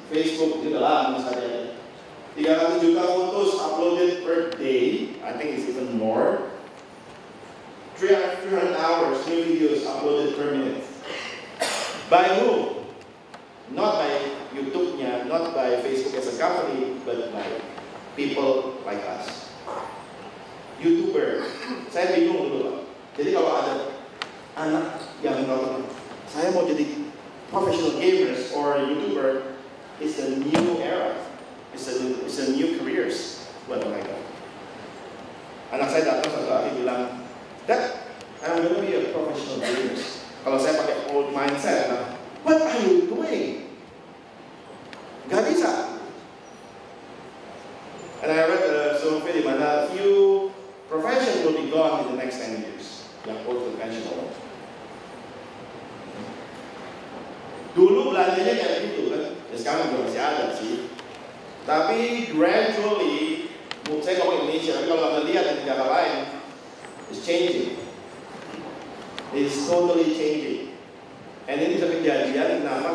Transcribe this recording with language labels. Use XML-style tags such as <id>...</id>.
<id>Facebook di dalam misalnya.</id> <en>300 juta photos uploaded per day, I think it's even more. 300 hours new videos uploaded per minute. By who? Not by YouTube-nya, not by Facebook as a company, but by people like us.</en> <id>YouTuber, saya bingung dulu lah. Jadi kalau ada anak yang nonton, saya mau jadi</id> <en>professional gamers or YouTuber, it's a new era. It's a new careers</en> <id>buat mereka. Anak saya datang satu hari bilang,</id> <en>Dad, I'm gonna be a professional gamer.</en> <id>Kalau saya pakai</id> <en>old mindset, what are you doing?</en> <id>Gak bisa.</id> <en>And I read a survey</en> <id>di mana</id> <en>few professions will be gone in the next 10 years. Yang old conventional.</en> <id>Dulu belanjanya kayak gitu kan, ya sekarang juga masih ada sih. Tapi gradually, saya ngomong Indonesia, tapi kalau anda lihat di negara lain,</id> <en>it's changing. It's totally changing. And</en> <id>ini bisa kejadian, kenapa?</id>